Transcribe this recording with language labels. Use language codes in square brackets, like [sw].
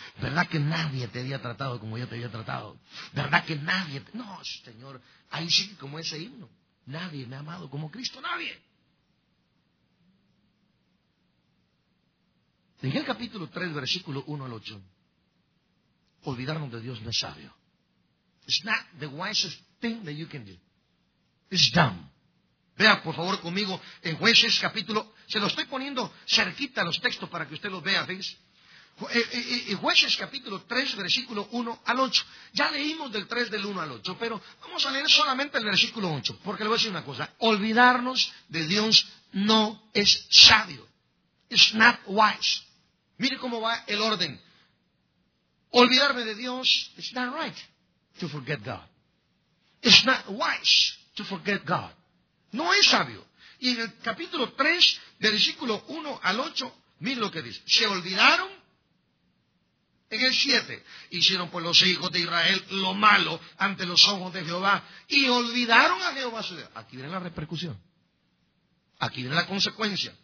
[es] ¿Verdad que nadie te había tratado como yo te había tratado? ¿Verdad que nadie? No, Señor, ahí sí, como ese himno. Nadie me ha amado como Cristo, nadie. En el capítulo 3, versículo 1 al 8. Olvidarnos de Dios no es sabio. [en] It's not the wisest thing that you can do. It's dumb. [es] Vea, por favor, conmigo, en Jueces, capítulo... Se lo estoy poniendo cerquita a los textos para que usted los vea, ¿ves? Jueces, capítulo 3, versículo 1 al 8. Ya leímos del 3, del 1 al 8, pero vamos a leer solamente el versículo 8, porque le voy a decir una cosa. Olvidarnos de Dios no es sabio. [en] It's not wise. [es] Mire cómo va el orden. Olvidarme de Dios, [en] it's not right to forget God. It's not wise to forget God. [es] No es sabio. Y en el capítulo 3, del versículo 1 al 8, mire lo que dice. Se olvidaron en el 7. Hicieron por los hijos de Israel lo malo ante los ojos de Jehová. Y olvidaron a Jehová su Dios. Aquí viene la repercusión. Aquí viene la consecuencia.